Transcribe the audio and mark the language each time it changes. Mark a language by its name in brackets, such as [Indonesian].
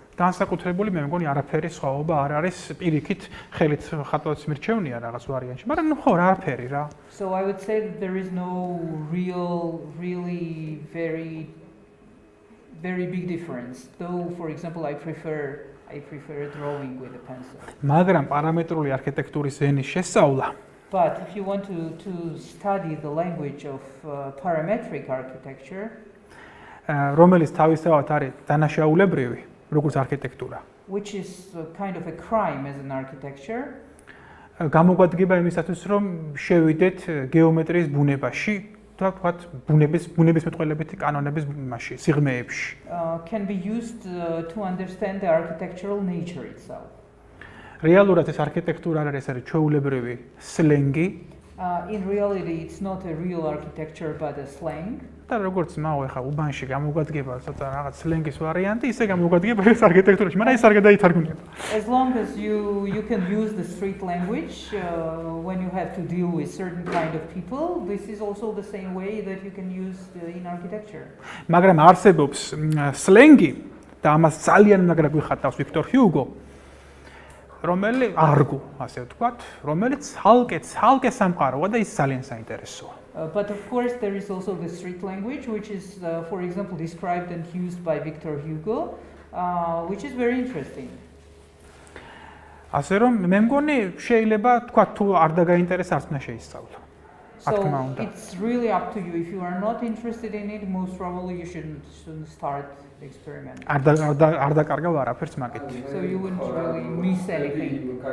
[Georgian] განსაკუთრებული მე მგონი არაფერი სხვაობა არ არის პირიქით ხელით ხატვაც მირჩევნია რაღაც ვარიანტში მაგრამ ხო რა არაფერი რა [English] So I would say that there is no really very very big difference though for example I prefer drawing with a pencil [Georgian] მაგრამ პარამეტრული არქიტექტურის ენის შესწავლა [English] But if you want to study the language of parametric architecture [Georgian] რომელიც თავისთავად არის დანაშაულებრივი როგორც არქიტექტურა. [English] Which is kind of a crime as an architecture. [Georgian] გამოგვადგება იმისათვის, რომ შევიდეთ გეომეტრიის ბუნებაში, და თქვათ, ბუნებისმეტყველებითი კანონების ბუნებაში, სიღრმეებში. [English] Can be used to understand the architectural nature itself. [Georgian] რეალურად ეს არქიტექტურა არ არის, ეს არის ჩვეულებრივი სლენგი. [English] In reality it's not a real architecture but a slang. [Georgian] და როგორც მაო ეხა უბანში გამოგვადგება ცოტა რაღაც სლენგის ვარიანტი, ისე გამოგვადგება ეს არქიტექტურაში, მაგრამ ეს არ გადაითარგმნება. [English] As long as you can use the street language when you have to deal with certain kind of people, this is also the same way that you can use in architecture. [Georgian] მაგრამ არსებობს სლენგი და ამას ძალიან მაგარ გვიხატავს ვიქტორ ჰიუგო. რომელი არგუ, ასე ვთქვათ, რომელიც ძალკე სამყაროა და ის ძალიან საინტერესოა. [English] But of course there is also the street language which is for example described and used by Victor Hugo which is very interesting. [Georgian] ასე რომ მე მგონი შეიძლება თქვა თუ არ დაგაინტერესებს არც უნდა შეისწავლო. [English] So it's really up to you if you are not interested in it most probably you shouldn't start experiment. [Georgian] არ დაკარგავ არაფერს მაგით. [English] So you wouldn't really miss anything.